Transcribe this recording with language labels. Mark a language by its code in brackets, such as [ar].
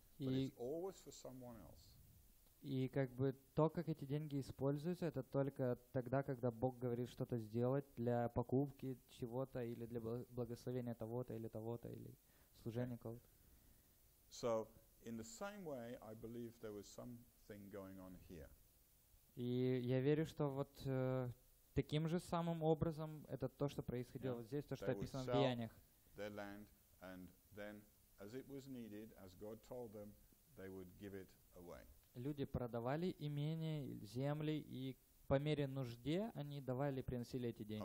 [en] But it's always for someone else. [ru] И как бы то, как эти деньги используются, это только тогда, когда Бог говорит что-то сделать для покупки чего-то или для благословения того-то или служения кого-то. [en] So, in the same way, I believe there was something going on here. [ru] И я верю, что вот таким же самым образом это то, что происходило вот здесь, то, что описано в Деяниях. [en] They would sell their land, and then, as it was needed, as God told them, they would give it away. [ru] Люди продавали имение, земли, и по мере нужде они давали, приносили эти деньги.